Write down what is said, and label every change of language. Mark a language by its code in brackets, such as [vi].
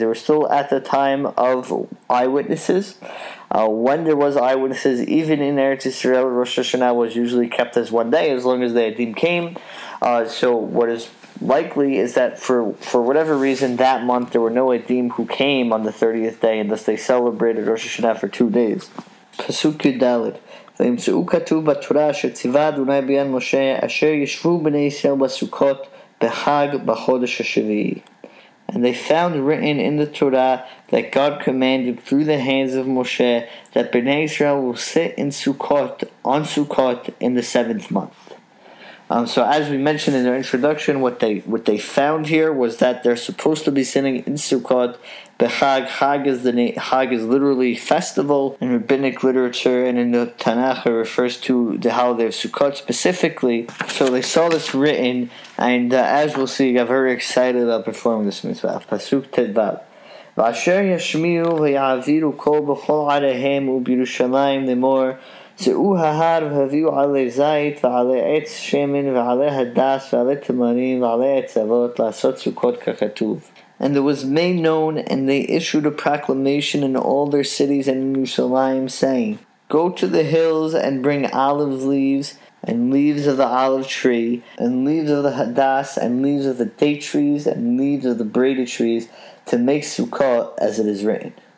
[en] They were still at the time of eyewitnesses. When there was eyewitnesses, even in Eretz Yisrael, Rosh Hashanah was usually kept as 1 day, as long as the Adim came. So what is likely is that for whatever reason, that month, there were no Adim who came on the 30th day, and thus they celebrated Rosh Hashanah for 2 days. [he] Pasuk Yudalit. וימצאו כתוב בתורה שציווה אדוני ביד משה אשר ישבו בני ישראל בסוכות בחג בחודש השביעי. [en] And they found written in the Torah that God commanded through the hands of Moshe that Bnei Israel will sit in Sukkot, on Sukkot, in the seventh month. So as we mentioned in our introduction, what they found here was that they're supposed to be sitting in Sukkot. Bechag, Chag is the name, Chag is literally festival in rabbinic literature, and in the Tanakh it refers to the holiday of Sukkot specifically. So they saw this written, and as we'll see, got very excited about performing this mitzvah. [he] Pasuk Tedvav. V'asher yashmiu v'yaviru kol b'chol areihem u'birushalayim lemor. צאו ההר והביאו עלי זית ועלי עץ שמן ועלי הדס ועלי תמרים ועלי עצבות לעשות סוכות ככתוב. [en] And it was made known, and they issued a proclamation in all their cities and in Yerushalayim, saying, Go to the hills and bring olive leaves and leaves of the olive tree and leaves of the hadas and leaves of the date trees and leaves of the braided trees to make sukkot as it is written.